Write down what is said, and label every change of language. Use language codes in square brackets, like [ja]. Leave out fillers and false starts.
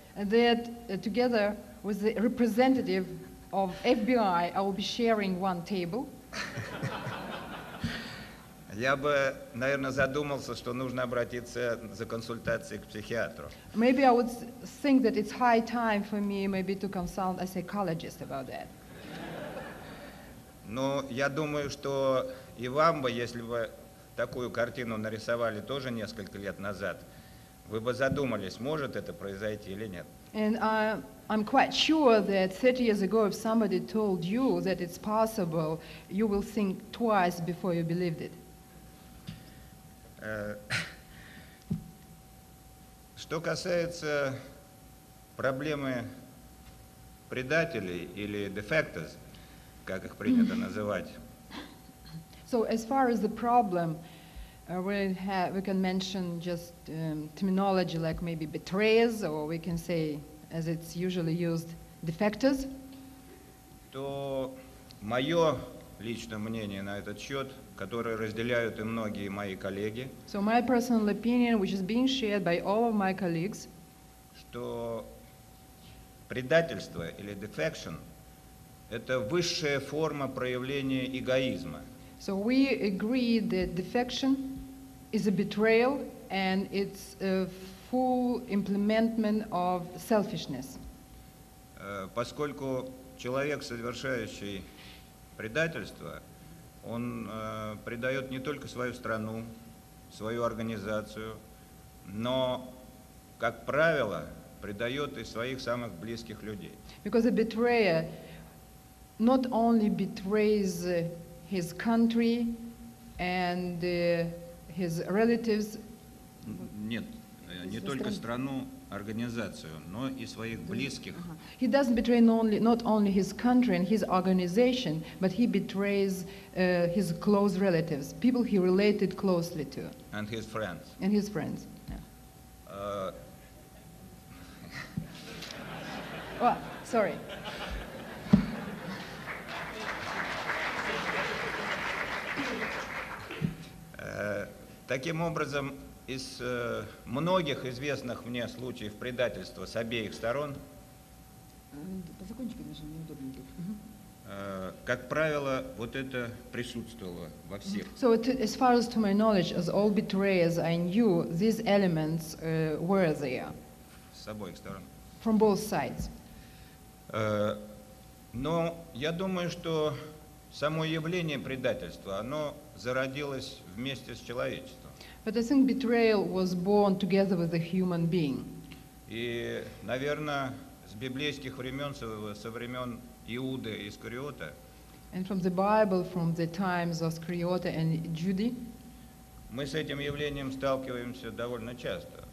[en] And that together with the representative of FBI, I will be sharing one table. [ru] Я бы, наверное, задумался, что нужно обратиться за консультацией к психиатру. [en] Maybe I would think that it's high time for me maybe to consult a psychologist about that. [ru] Но я думаю, что и вам бы, если бы такую картину нарисовали тоже несколько лет назад, вы бы задумались, может это произойти или нет. [en] And I'm quite sure that 30 years ago, if somebody told you that it's possible, you will think twice before you believed it. [ru] Что касается проблемы предателей или defectors, как их принято называть. [en] So as far as the problem, we can mention just terminology like maybe betrayers, or we can say, as it's usually used, defectors. [ru] То мое личное мнение на этот счет, которое разделяют и многие мои коллеги. [en] So my personal opinion, which is being shared by all of my colleagues, [ru] что предательство или defection – это высшая форма проявления эгоизма. [en] So we agree that defection is a betrayal and it's a full implementment of selfishness. [ru] Поскольку человек, совершающий предательство, он предает не только свою страну, свою организацию, но, как правило, предает и своих самых близких людей. [en] Because a betrayer not only betrays his country and his relatives. [ru] Нет, не только страну, организацию, но и своих близких. [en] He doesn't betray not only his country and his organization, but he betrays his close relatives, people he related closely to. And his friends. And his friends. Yeah. Sorry. [ru] Таким образом, из многих известных мне случаев предательства с обеих сторон, как правило, вот это присутствовало во всех. [en] So, as far as to my knowledge, as all betrayers I knew, these elements were there. [ru] С обоих сторон. [en] From both sides. [ru] Но я думаю, что само явление предательства, оно зародилось вместе с человечеством. [en] But I think betrayal was born together with a human being. [ru] И, наверное, с библейских времен, со времен Иуды и Искариота. [en] And from the Bible, from the times of Iscariot and Judas. [ru] Мы с этим явлением сталкиваемся довольно часто.